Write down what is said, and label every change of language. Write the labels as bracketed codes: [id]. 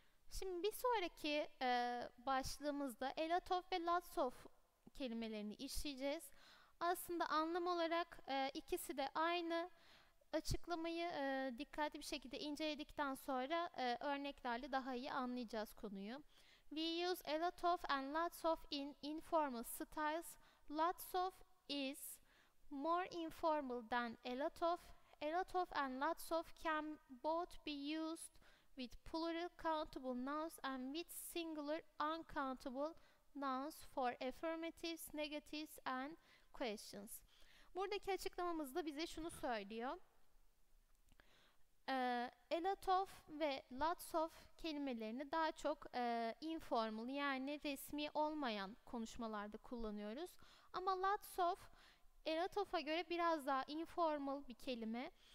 [tr] Şimdi bir sonraki başlığımızda a lot of ve lots of kelimelerini işleyeceğiz. Aslında anlam olarak ikisi de aynı. Açıklamayı dikkatli bir şekilde inceledikten sonra örneklerle daha iyi anlayacağız konuyu. [en] We use a lot of and lots of in informal styles. Lots of is more informal than a lot of. A lot of and lots of can both be used with plural countable nouns and with singular uncountable nouns for affirmatives, negatives and questions. [tr] Buradaki açıklamamız da bize şunu söylüyor. A lot of ve lots of kelimelerini daha çok informal yani resmi olmayan konuşmalarda kullanıyoruz. Ama lots of, a lot of'a göre biraz daha informal bir kelime.